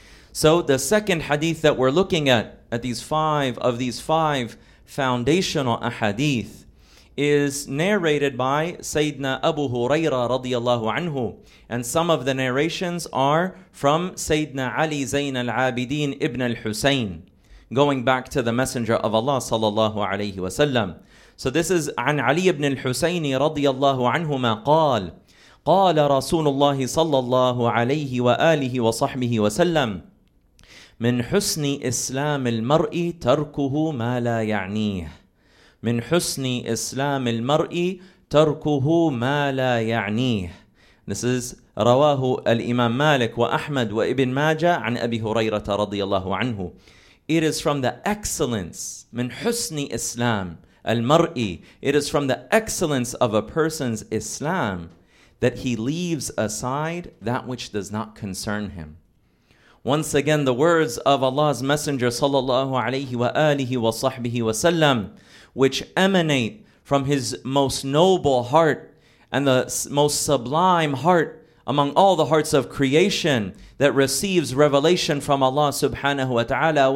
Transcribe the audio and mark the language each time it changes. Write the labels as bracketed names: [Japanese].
[English] So the second hadith that we're looking at these five foundational ahadith, is narrated by Sayyidina Abu Huraira radiallahu anhu. And some of the narrations are from Sayyidina Ali Zayn al-Abidin ibn al-Husayn, going back to the Messenger of Allah sallallahu alayhi wa sallam. So this is [Arabic] عن علي بن الحسين رضي الله عنهما قال قال رسول الله صلى الله عليه وآله وصحبه وسلم من حسن إسلام المرء تركه ما لا يعنيه من حسن إسلام المرء تركه ما لا يعنيه. [English] This is [Arabic] رواه الإمام مالك وأحمد وابن ماجة عن أبي هريرة رضي الله عنه. [English] It is from the excellence [Arabic] من حسن إسلام المرء. [English] It is from the excellence of a person's Islam that he leaves aside that which does not concern him. Once again, the words of Allah's Messenger sallallahu alayhi wa alihi wa sahbihi wa sallam, which emanate from his most noble heart and the most sublime heart among all the hearts of creation that receives revelation from Allah subhanahu wa ta'ala.